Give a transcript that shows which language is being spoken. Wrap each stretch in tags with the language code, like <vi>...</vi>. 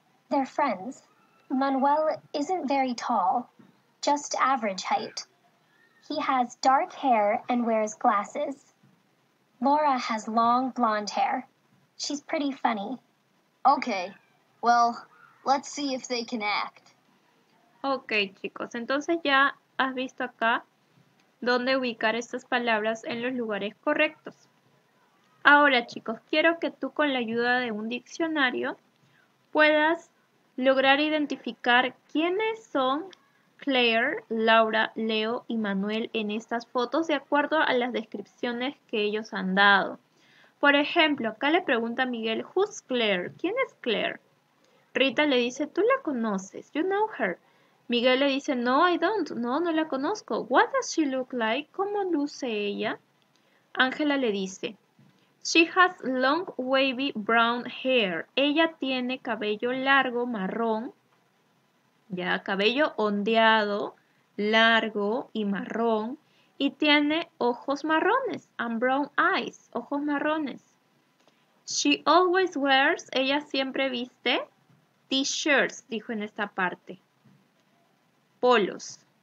<en>They're friends. Manuel isn't very tall, just average height. He has dark hair and wears glasses. Laura has long blonde hair. She's pretty funny. Okay, well, let's see if they can act.</en> <es>Okay, chicos, entonces ya has visto acá dónde ubicar estas palabras en los lugares correctos. Ahora, chicos, quiero que tú con la ayuda de un diccionario puedas lograr identificar quiénes son Claire, Laura, Leo y Manuel en estas fotos de acuerdo a las descripciones que ellos han dado. Por ejemplo, acá le pregunta a Miguel, ¿who's Claire? ¿Quién es Claire? Rita le dice, ¿tú la conoces? You know her. Miguel le dice, no, I don't. No, no la conozco.</es> <en>What does she look like? ¿Cómo luce ella? Ángela le dice, she has long wavy brown hair.</en> <es>Ella tiene cabello largo, marrón. Ya, cabello ondeado, largo y marrón. Y tiene ojos marrones, and brown eyes, ojos marrones. She always wears, ella siempre viste, t-shirts, dijo en esta parte. Polos.</es>